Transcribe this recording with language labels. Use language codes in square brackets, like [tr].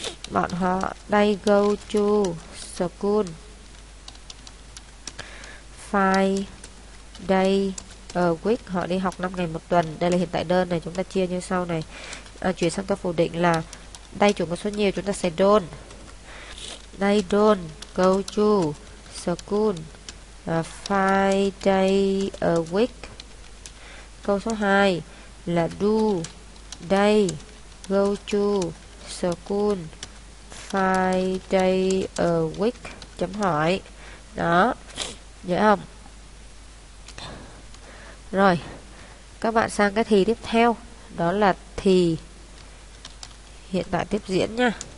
[vi] Bọn họ [en] they go to school 5 days a week. [vi] Họ đi học 5 ngày một tuần. Đây là hiện tại đơn này, chúng ta chia như sau này. Chuyển sang câu phủ định là đây chủ ngữ số nhiều, chúng ta sẽ don't. [en] They don't go to school 5 days a week. [vi] Câu số 2 là [en] do they go to school 5 days a week [vi] chấm hỏi. Đó, dễ không? Rồi, các bạn sang cái thì tiếp theo. Đó là thì hiện tại tiếp diễn nha.